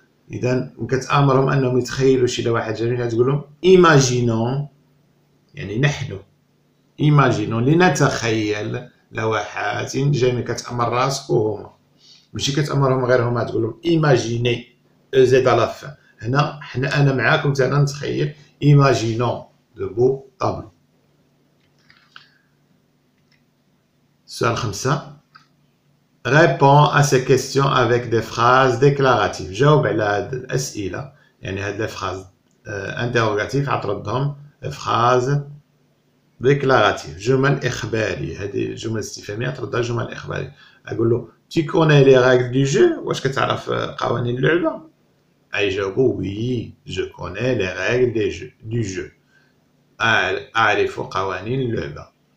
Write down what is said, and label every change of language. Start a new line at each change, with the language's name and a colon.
Arabic: اذا كتامرهم انهم يتخيلوا شي لوحات جميله، تقول لهم imaginons، يعني نحن imaginons لنتخيل لوحات جميله. كتامر راسك وهما، ماشي كتامرهم غير هما، تقول لهم imaginez زيد على الف. هنا حنا انا معاكم تاعنا نتخيل
French: imaginons de beaux tableaux.
Arabic: سؤال خمسة،
French: réponds à ces questions avec des phrases déclaratives.
Arabic: جاوب على هاد الأسئلة، يعني هاد لي فراز انتروغاتيف، عتردهم فراز ديكلاراتيف، جمل إخبارية. هادي جمل استفهامية عتردها جمل إخبارية. أقول له
French: tu connais les règles du jeu،
Arabic: واش كتعرف قوانين اللعبة؟ أي جاوبو وي جو كوني لي ريغل دو جو، أعرف قوانين اللعبة.